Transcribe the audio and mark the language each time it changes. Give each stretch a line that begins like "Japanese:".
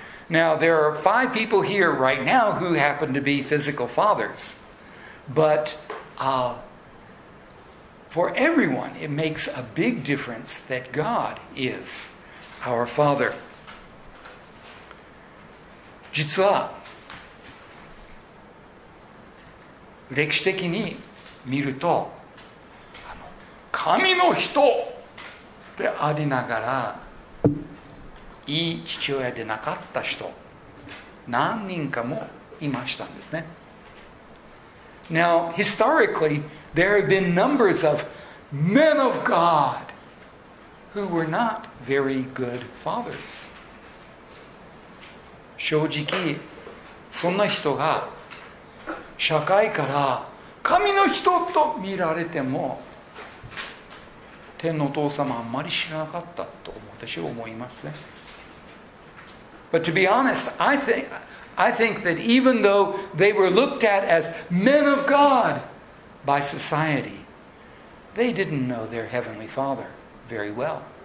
English: Now there are five people here right now who happen to be physical fathers, but For everyone, it makes a big difference that God is our Father.
Japanese: 実は、歴史的に見ると、神の人でありながら、いい父親でなかった人、何人かもいましたんですね。
English: Now, historically, there have been numbers of men of God who were not very good fathers.
Japanese: 正直、そんな人が社会から神の人と見られても、天のお父様あんまり知らなかったと私は思いますね。
English: But to be honest, I think that even though they were looked at as men of God by society, they didn't know their heavenly Father very well.